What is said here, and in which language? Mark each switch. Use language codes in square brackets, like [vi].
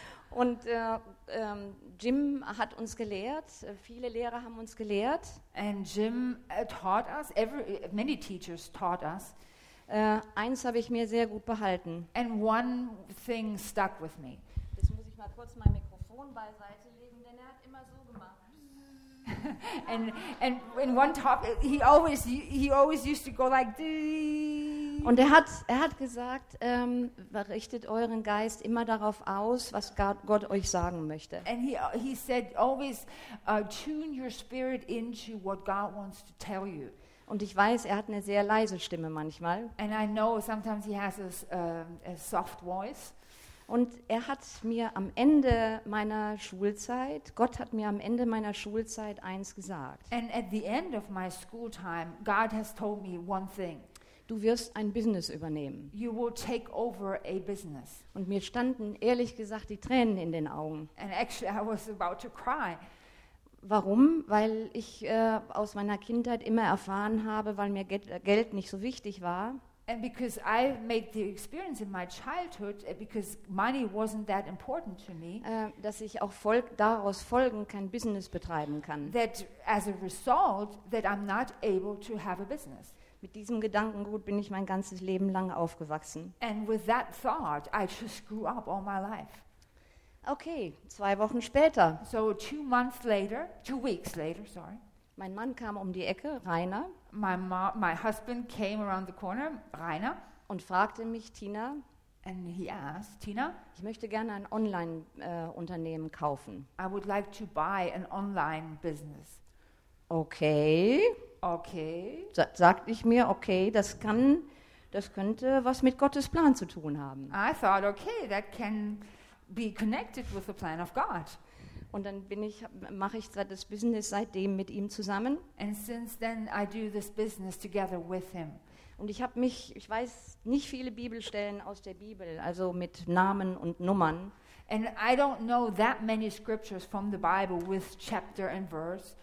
[de] Und Jim hat uns gelehrt, viele Lehrer haben uns gelehrt. [en] And Jim taught us, many teachers taught us. [de] Eins habe ich mir sehr gut behalten. [en] And one thing stuck with me. [de] Jetzt muss ich mal kurz mein Mikrofon beiseite legen, denn er hat immer so gemacht. [en] And in one topic, he always used to go like dee. [de] Und er hat gesagt, richtet euren Geist immer darauf aus, was Gott euch sagen möchte. [en] And he said always tune your spirit into what God wants to tell you. [de] Und ich weiß, er hat eine sehr leise Stimme manchmal. [en] And I know sometimes he has a soft voice. [de] Und er hat mir am Ende meiner Schulzeit, Gott hat mir am Ende meiner Schulzeit eins gesagt. [en] And at the end of my school time, God has told me one thing. [de] Du wirst ein Business übernehmen. [en] You will take over a business. [de] Und mir standen ehrlich gesagt die Tränen in den Augen. [en] And actually I was about to cry. [de] Warum? Weil ich aus meiner Kindheit immer erfahren habe, weil mir Geld nicht so wichtig war. [en] And because I made the experience in my childhood, because money wasn't that important to me. [de] Dass ich auch daraus folgend kein Business betreiben kann. [en] That as a result, that I'm not able to have a business. [de] Mit diesem Gedankengut bin ich mein ganzes Leben lang aufgewachsen. [en] And with that thought, I just grew up all my life. [de] Okay, zwei Wochen später. [en] So two weeks later. [de] Mein Mann kam um die Ecke, Rainer. [en] My husband came around the corner, Rainer. [de] Und fragte mich, Tina. [en] And he asked, Tina. [de] Ich möchte gerne ein Online Unternehmen kaufen. [en] I would like to buy an online business. [de] Okay. [en] Okay. [de] Sagte ich mir, okay, das könnte was mit Gottes Plan zu tun haben. [en] I thought, okay, that can be connected with the plan of God. [de] Und dann mache ich das Business seitdem mit ihm zusammen. [en] And since then I do this business together with him. [de] Und ich weiß nicht viele Bibelstellen aus der Bibel, also mit Namen und Nummern. [en] And I don't know that many scriptures from the Bible with chapter and verse.